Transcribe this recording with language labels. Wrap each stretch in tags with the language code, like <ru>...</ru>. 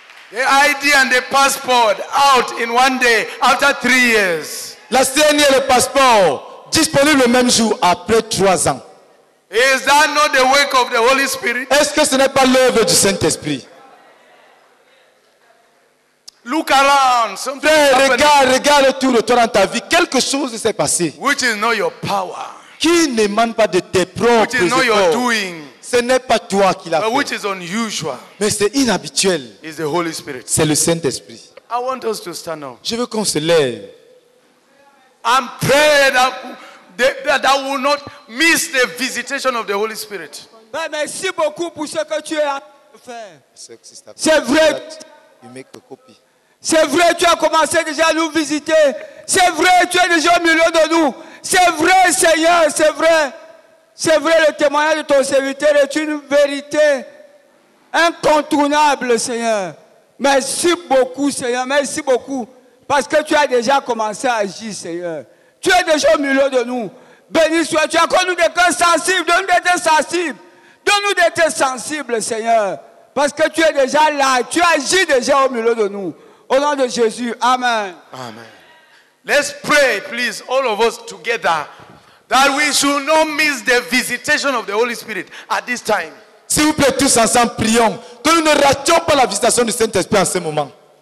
<en>The ID and the passport out in one day after 3 years.</en> <fr>La CNI et le passeport disponible le même jour après 3 ans.</fr> <en>Is that not the work of the Holy Spirit?</en> <fr>Est-ce que ce n'est pas l'œuvre du Saint-Esprit?</fr> <en>Look around. Something</en> <fr>Frère, regarde, regarde autour de toi dans ta vie. Quelque chose s'est passé.</fr> <en>Which is not your power.</en> <fr>Qui n'émane pas de tes propres</fr> <en>Which is not</en> <fr>efforts.</fr> <en>Your doing.</en> <fr>Ce n'est pas toi qui l'as</fr> <en>But</en> <fr>fait.</fr> <en>Which is unusual.</en> <fr>Mais c'est inhabituel.</fr> <en>Is the Holy Spirit.</en> <fr>C'est le Saint-Esprit.</fr> <en>I want us to stand up.</en> <fr>Je veux qu'on se lève.</fr> <en>I'm praying that I will not miss the visitation of the Holy Spirit.</en> <fr>Merci beaucoup pour ce que tu as fait. C'est vrai.</fr> <en>You make a copy.</en> <fr>C'est vrai, tu as commencé déjà à nous visiter. C'est vrai, tu es déjà au milieu de nous. C'est vrai, Seigneur, c'est vrai. C'est vrai, le témoignage de ton serviteur est une vérité incontournable, Seigneur. Merci beaucoup, Seigneur, merci beaucoup. Parce que tu as déjà commencé à agir, Seigneur. Tu es déjà au milieu de nous. Béni sois-tu, accorde-nous des cœurs sensibles. Donne-nous d'être sensibles. Donne-nous d'être sensibles, Seigneur. Parce que tu es déjà là. Tu agis déjà au milieu de nous. Au nom de Jésus, amen. Amen.</fr> <en>Let's pray, please, all of us together, that we should not miss the visitation of the Holy Spirit at this time.</en> <fr>S'il vous plaît, tous ensemble, prions que nous ne rations pas la visitation du Saint-Esprit en ce moment.</fr>